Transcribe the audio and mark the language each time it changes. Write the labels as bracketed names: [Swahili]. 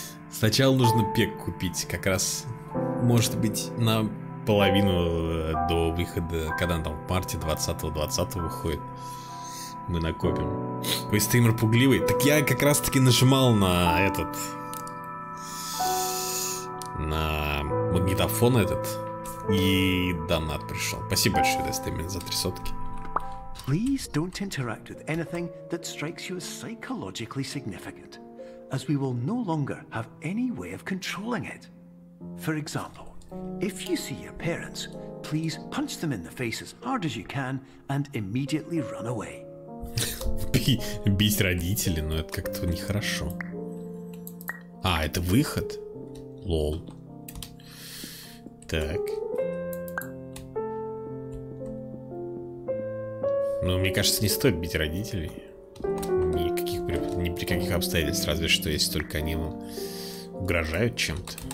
[Russian] Сначала нужно пек купить. Как раз, может быть, на половину до выхода, когда там в марте 20-го выходит. Мы накопим. Вы стример пугливый. Так я как раз таки нажимал на этот. На магнитофон этот. И донат пришел. Спасибо большое, да, стример, за 300. [English] Please don't interact with anything that strikes you as psychologically significant, as we will no longer have any way of controlling it. For example, if you see your parents, please punch them in the face as hard as you can and immediately run away. [Russian] Бить родителей, но это как-то нехорошо. А, это выход? Лол. Так. Ну, мне кажется, не стоит бить родителей. Никаких, ни при каких обстоятельствах, разве что, если только они вам угрожают чем-то.